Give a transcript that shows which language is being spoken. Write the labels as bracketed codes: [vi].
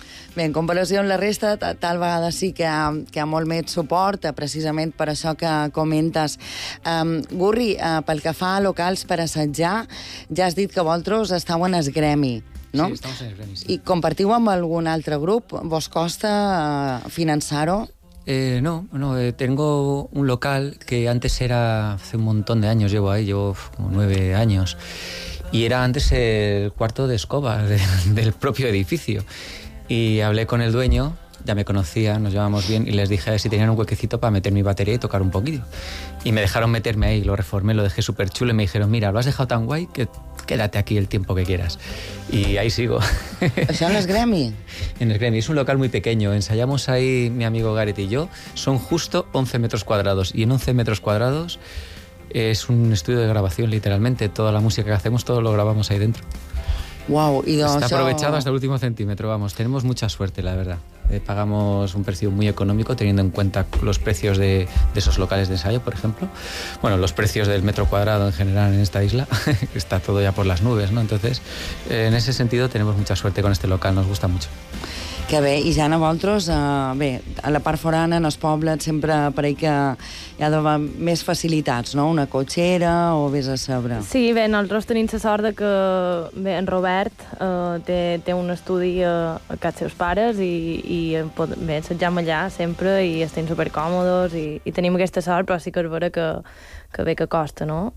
[ca] Bé, en comparació amb la resta, tal vegada sí que ha molt més suport, precisament per això que comentes. Gurri, pel que fa a locals per assajar, ja has dit que vosaltres estàveu en el gremi, no? Sí, estàveu en el gremi, sí. I compartiu amb algun altre grup? Vos costa finançar-ho? [es] No, tengo un local que antes era, hace un montón de años llevo ahí, llevo como 9 años, y era antes el cuarto de escoba del propio edificio. Y hablé con el dueño, ya me conocía, nos llevábamos bien, y les dije si tenían un huequecito para meter mi batería y tocar un poquito. Y me dejaron meterme ahí, lo reformé, lo dejé súper chulo, y me dijeron, mira, lo has dejado tan guay que quédate aquí el tiempo que quieras. Y ahí sigo. ¿Eso en el Grammy? En el Grammy, es un local muy pequeño. Ensayamos ahí mi amigo Gareth y yo. Son justo 11 metros cuadrados. Y en 11 metros cuadrados es un estudio de grabación, literalmente. Toda la música que hacemos, todo lo grabamos ahí dentro. Wow, y está eso... aprovechado hasta el último centímetro, vamos. Tenemos mucha suerte, la verdad. Pagamos un precio muy económico teniendo en cuenta los precios de esos locales de ensayo, por ejemplo. Bueno, los precios del metro cuadrado en general en esta isla, que está todo ya por las nubes, ¿no? Entonces, en ese sentido tenemos mucha suerte con este local, nos gusta mucho. [ca] Que bé, i ja a vosaltres, bé, a la part forana, en el poble, sempre pareix que hi ha d'haver més facilitats, no? Una cotxera o vés a sabre. Sí, bé, nosaltres tenim la sort de que, bé, en Robert té un estudi a casa seus pares i bé, assajam allà sempre i estem supercòmodes i tenim aquesta sort, però sí que és vera que bé que costa, no?